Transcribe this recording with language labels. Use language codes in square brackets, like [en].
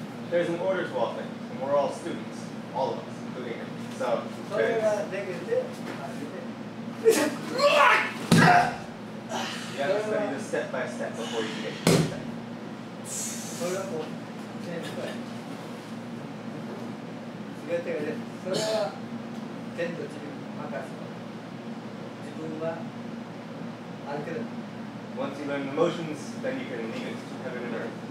[en] There's an order to all things, and we're all students, all of us, including him. So, you have to study this step by step before you can get to the step. [ja] 違う違う、それは全部自分に任せる。自分は歩ける。 [en] Once you learn the motions, then you can leave it to heaven and earth.